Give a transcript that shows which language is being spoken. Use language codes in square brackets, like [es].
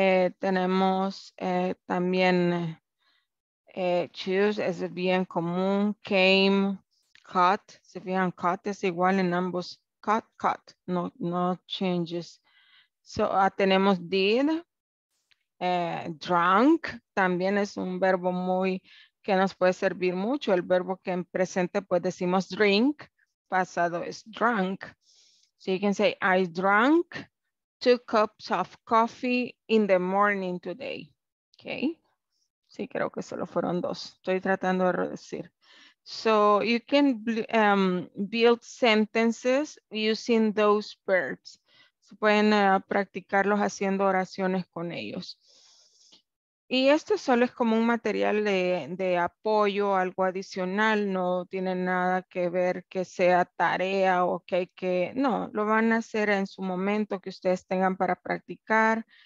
[es] Tenemos también choose, es bien común, came, cut, se fijan, cut es igual en ambos, cut, [en] no changes. [es] So tenemos did, drunk, también es un verbo muy, que nos puede servir mucho, el verbo que en presente pues decimos drink, pasado es drunk. [en] So you can say, I drank 2 cups of coffee in the morning today. Okay. [es] Sí, creo que solo fueron 2. Estoy tratando de reducir. [en] So you can build sentences using those verbs. [es] So pueden practicarlos haciendo oraciones con ellos. Y esto solo es como un material de apoyo, algo adicional. No tiene nada que ver que sea tarea o que hay que... No, lo van a hacer en su momento que ustedes tengan para practicar.